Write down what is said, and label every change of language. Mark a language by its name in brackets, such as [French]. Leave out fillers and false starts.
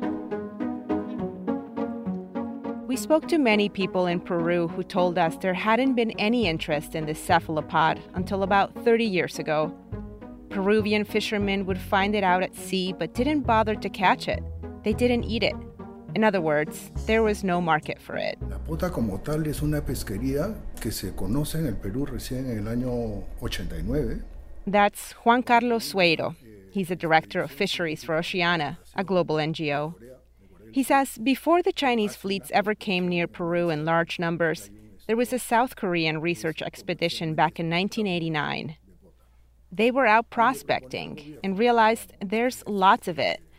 [English] We spoke to many people in Peru who told us there hadn't been any interest in this cephalopod until about 30 years ago. Peruvian fishermen would find it out at sea but didn't bother to catch it. They didn't eat it. In other words, there was no market for it. [Spanish] La pota como tal es una pesquería que se conoce en el Perú recién en el año 89. [English] That's Juan Carlos Sueiro. He's the director of fisheries for Oceana, a global NGO. He says before the Chinese fleets ever came near Peru in large numbers, there was a South Korean research expedition back in 1989. They were out prospecting and realized there's lots of it.